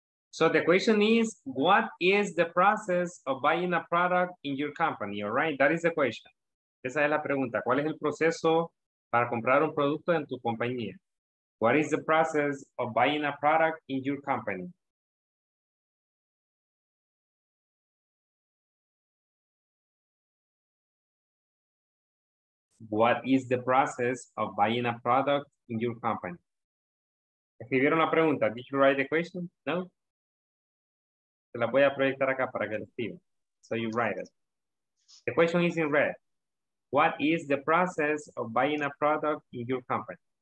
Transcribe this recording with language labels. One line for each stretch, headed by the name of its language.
English: So the question is, what is the process of buying a product in your company, all right? That is the question.
Spanish: Esa es la pregunta. ¿Cuál es el proceso para comprar un producto en tu compañía?
English: What is the process of buying a product in your company? What is the process of buying a product in your company?
Spanish: ¿Escribieron la pregunta?
English: Did you write the question? No?
Spanish: Se la voy a proyectar acá para que lo escriban.
English: So you write it. The question is in red. What is the process of buying a product in your company?